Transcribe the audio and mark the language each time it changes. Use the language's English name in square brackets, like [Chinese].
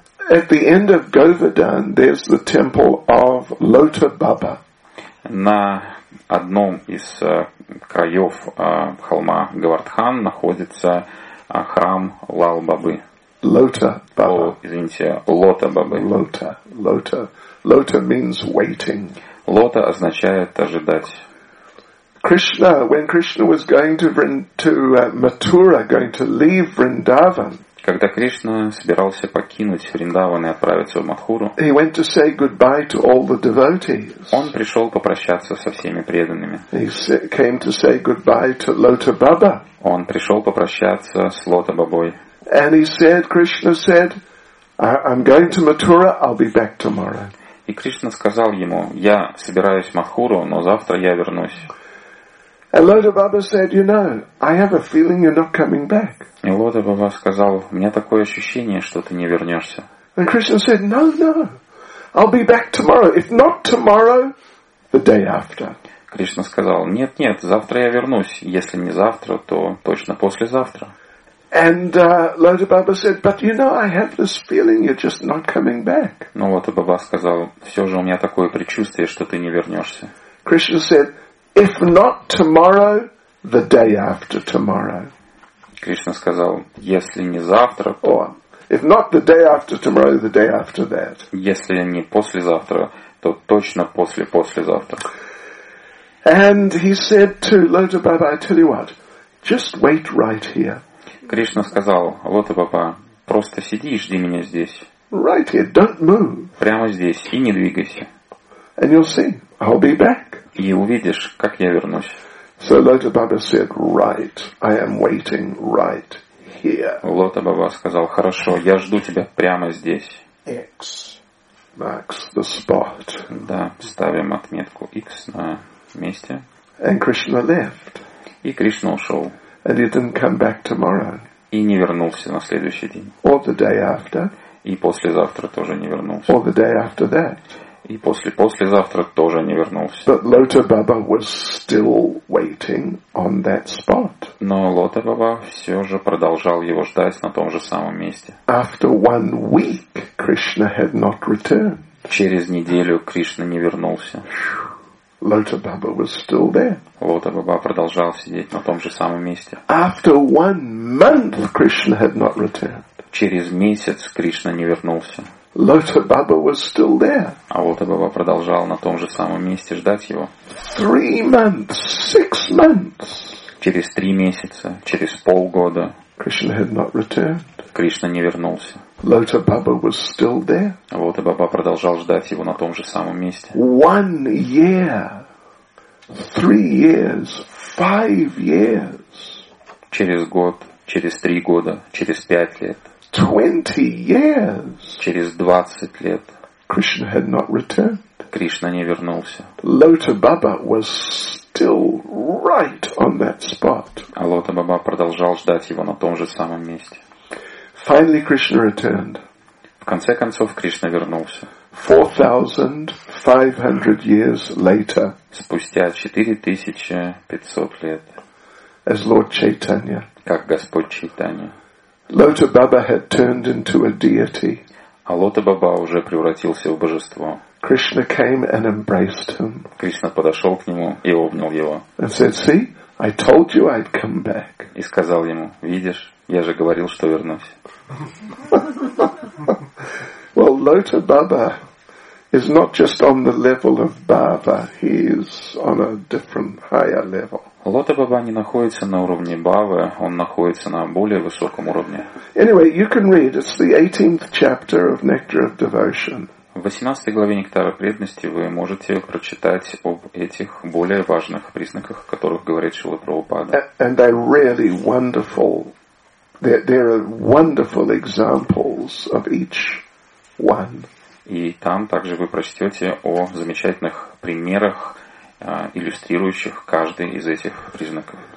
[English] At the end of Govardhan, there's the temple of Lota Baba. [Russian] На одном из краев холма Говардхан находится храм Лал Бабы. Лота Баба. Извините, Лота Бабы. [English] Лота. Лота. Лота means waiting. [Russian] Лота означает ожидать. [English] Krishna, when Krishna was going to Mathura, going to leave Vrindavan. [Russian] Когда Кришна собирался покинуть Вриндаван и отправиться в Матхуру, [English] he went to say goodbye to all the devotees. [Russian] Он пришел попрощаться со всеми преданными. [English] He came to say goodbye to Lota Baba. [Russian] Он пришел попрощаться с Лота Бабой. [English] And he said, Krishna said, I'm going to Mathura, I'll be back tomorrow. [Russian] И Кришна сказал ему, я собираюсь в Матхуру, но завтра я вернусь. [English] And Lota Baba said, you know, I have a feeling you're not coming back. [Russian] И Лота Баба сказал, у меня такое ощущение, что ты не вернешься. [English] And Krishna said, no, no, I'll be back tomorrow. If not tomorrow, the day after. [Russian] Кришна сказал, нет, нет, завтра я вернусь. Если не завтра, то точно послезавтра. [English] And Lota Baba said, but you know, I have this feeling you're just not coming back. [Russian] Но Лота Баба сказал, все же у меня такое предчувствие, что ты не вернешься. [English] Krishna said, if not tomorrow, the day after tomorrow. [Russian] Кришна сказал, если не завтра, то... [English] Or, if not the day after tomorrow, the day after that. [Russian] Если не послезавтра, то точно послезавтра. [English] And he said to Lota Baba, I tell you what, just wait right here. [Russian] Кришна сказал, Лота Баба, просто сиди и жди меня здесь. [English] Right here, don't move. [Russian] Прямо здесь, и не двигайся. [English] And you'll see, I'll be back. [Russian] И увидишь, как я вернусь. [English] So Lota Baba said, right, I am waiting right here. [Russian] Лота Баба сказал, хорошо, я жду тебя прямо здесь. [English] X marks the spot. [Russian] Да, ставим отметку X на месте. [English] And Krishna left. [Russian] И Кришна ушел. [English] And he didn't come back tomorrow. [Russian] И не вернулся на следующий день. [English] Or the day after. [Russian] И послезавтра тоже не вернулся. [English] Or the day after that. [Russian] И послезавтра тоже не вернулся. [English] But Lota Baba was still waiting on that spot. [Russian] Но Лота Баба все же продолжал его ждать на том же самом месте. [English] After 1 week, Krishna had not returned. [Russian] Через неделю Кришна не вернулся. [English] Lota Baba was still there. [Russian] Лота Баба продолжал сидеть на том же самом месте. [English] After 1 month, Krishna had not returned. [Russian] Через месяц Кришна не вернулся. [English] Lota Baba was still there. [Russian] А Лота Баба продолжал на том же самом месте ждать его. [English] 3 months, 6 months. [Russian] Через 3 месяца, через полгода. [English] Krishna had not returned. [Russian] Кришна не вернулся. [English] Lota Baba was still there. [Russian] А Лота Баба продолжал ждать его на том же самом месте. [English] 1 year, 3 years, 5 years. [Russian] Через год, через 3 года, через 5 лет. [English] 20 years. [Russian] Через 20 лет. [English] Krishna had not returned. [Russian] Кришна не вернулся. [English] Lota Baba was still right on that spot. [Russian] А Лота Баба продолжал ждать его на том же самом месте. [English] Finally, Krishna returned. [Russian] В конце концов Кришна вернулся. [English] 4,500 years later. [Russian] Спустя 4500 лет. [English] As Lord Chaitanya. [Russian] Как Господь Чайтанья. [English] Lota Baba had turned into a deity. [Russian] А Лота Баба уже превратился в божество. [English] Krishna came and embraced him. [Russian] Кришна подошел к нему и обнял его. [English] And said, "See, I told you I'd come back." [Russian] И сказал ему, видишь, я же говорил, что вернусь. [English] Well, Lota Baba, is not just on the level of Bhava, he is on a different, higher level. [Russian] Лота Баба не находится на уровне Бхавы, он находится на более высоком уровне. [English] Anyway, you can read, it's the 18th chapter of Nectar of Devotion. [Russian] В 18 главе «Нектара преданности» вы можете прочитать об этих более важных признаках, о которых говорит Шрила Прабхупада. [English] And they're really wonderful. There are wonderful examples of each one. [Russian] И там также вы прочтете о замечательных примерах, иллюстрирующих каждый из этих признаков.